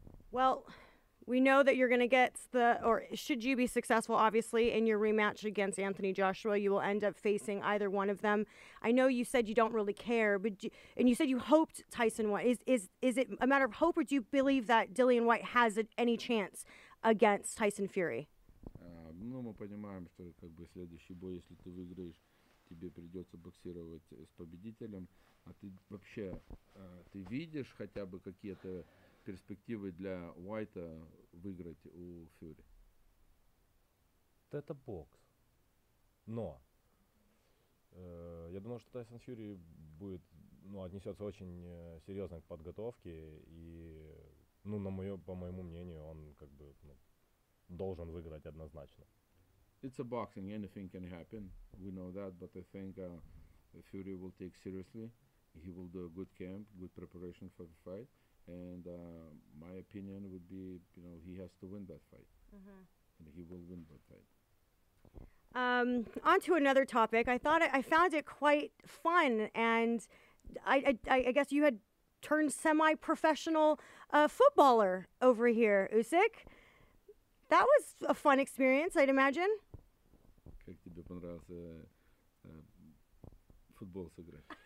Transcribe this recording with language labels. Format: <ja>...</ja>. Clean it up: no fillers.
<en>Well, we know that you're going to get should you be successful, obviously, in your rematch against Anthony Joshua, you will end up facing either one of them. I know you said you don't really care, and you said you hoped Tyson White. Is it a matter of hope, or do you believe that Dillian White has any chance against Tyson Fury?</en> <ru>Мы понимаем, что как бы следующий бой, если ты выиграешь, тебе придется боксировать с победителем. А ты вообще, ты видишь хотя бы какие-то перспективы для Уайта выиграть у Фьюри? Это бокс. Но я думаю, что Тайсон Фьюри будет, отнесется очень серьезно к подготовке. И, по моему мнению, он как бы должен выиграть однозначно.</ru> <en>It's a boxing. Anything can happen. We know that. But I think Fury will take seriously. He will do a good camp, good preparation for the fight. And my opinion would be, he has to win that fight. Mm-hmm. And he will win that fight. On to another topic. I found it quite fun. And I guess you had turned semi-professional footballer over here, Usyk. That was a fun experience, I'd imagine.</en> <ru>Как тебе понравился футбол сыграть?</ru>